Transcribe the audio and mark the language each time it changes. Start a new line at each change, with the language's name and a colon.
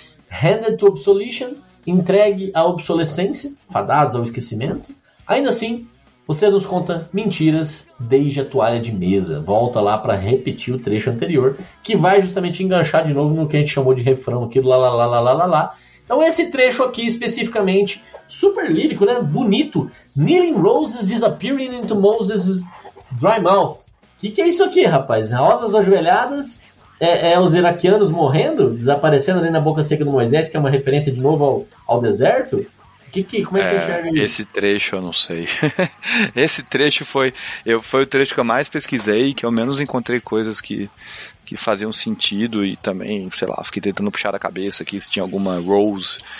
English: Handed to obsolescence,
Portuguese: entregue à obsolescência, fadados ao esquecimento. Ainda assim, você nos conta mentiras desde a toalha de mesa. Volta lá para repetir o trecho anterior, que vai justamente enganchar de novo no que a gente chamou de refrão aqui, lá, lá, lá, lá, lá, lá. Então esse trecho aqui especificamente, super lírico, né? Bonito.
English: Kneeling roses disappearing into Moses' dry mouth.
Portuguese: Que é isso aqui, rapaz? Rosas ajoelhadas, os iraquianos morrendo, desaparecendo ali na boca seca do Moisés, que é uma referência de novo ao deserto. Como é que você enxerga isso? Esse trecho, eu não sei. Esse trecho foi o trecho que eu mais pesquisei, que eu menos encontrei coisas que faziam sentido e também, sei lá, fiquei tentando puxar a cabeça aqui se tinha alguma Rose.